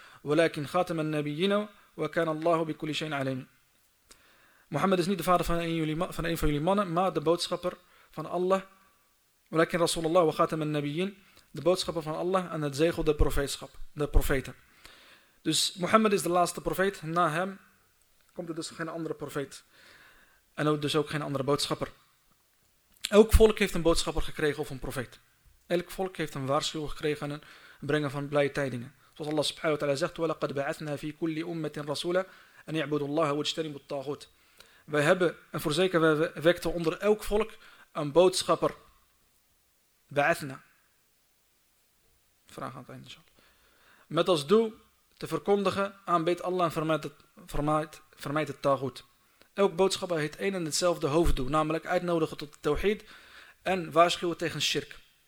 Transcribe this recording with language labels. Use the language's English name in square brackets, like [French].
[Arabic] ولكن خاتم النبيين وكان الله بكل شيء عليم. [Dutch] محمد is niet de vader van een van jullie mannen, maar de boodschapper van Allah. [Arabic] ولكن رسول الله وخاتم النبيين, [Dutch] de boodschapper van Allah en het zegel der profeetschap, de profeten. Dus Mohammed is de laatste profeet. Na hem komt er dus geen andere profeet. En ook dus ook geen andere boodschapper. Elk volk heeft een boodschapper gekregen of een profeet. Elk volk heeft een waarschuwing gekregen en een brengen van blije tijdingen. Zoals Allah subhanahu wa ta'ala zegt, [Arabic] وَلَقَدْ بَعَثْنَا فِي كُلِّ أُمَّةٍ رَسُولًا أَنْ يَعْبُدُ اللَّهَ وَاجْتَنِبُ الطَّاغُوتِ. [Dutch] Wij hebben, en voorzeker, wij wekten onder elk volk een boodschapper. [Arabic] بَعَثْنَا. [Dutch] Vraag aan het einde, inshallah. Met als doel te verkondigen, aanbeet Allah en vermijd het taghut. Elk boodschapper heeft één en hetzelfde hoofddoel, namelijk uitnodigen tot de tawhid en waarschuwen tegen shirk.